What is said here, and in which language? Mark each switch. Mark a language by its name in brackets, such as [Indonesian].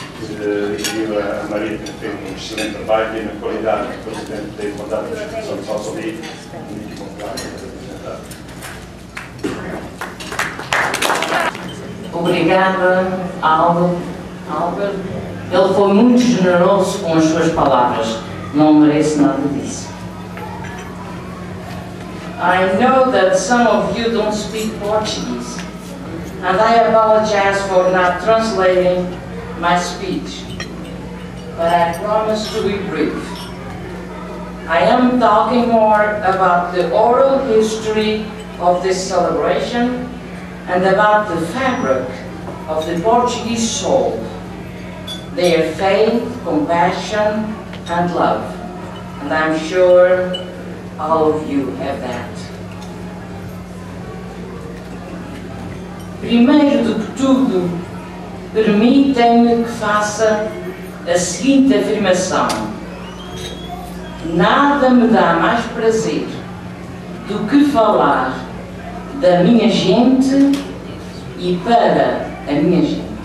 [Portuguese] E a Maria que fez um excelente trabalho e na qualidade de presidente da Igualdade da Instituição de Salto Ali, muito bom trabalho para apresentar. Obrigada, Álvaro. Ele foi muito generoso com as suas palavras. Não mereço nada disso. [English] I know that some of you don't speak Portuguese, and I apologize for not translating my speech, but I promise to be brief. I am talking more about the oral history of this celebration and about the fabric of the Portuguese soul, their faith, compassion, and love. And I'm sure all of you have that. [Portuguese] Primeiro do que tudo, permitem-me que faça a seguinte afirmação. Nada me dá mais prazer do que falar da minha gente e para a minha gente.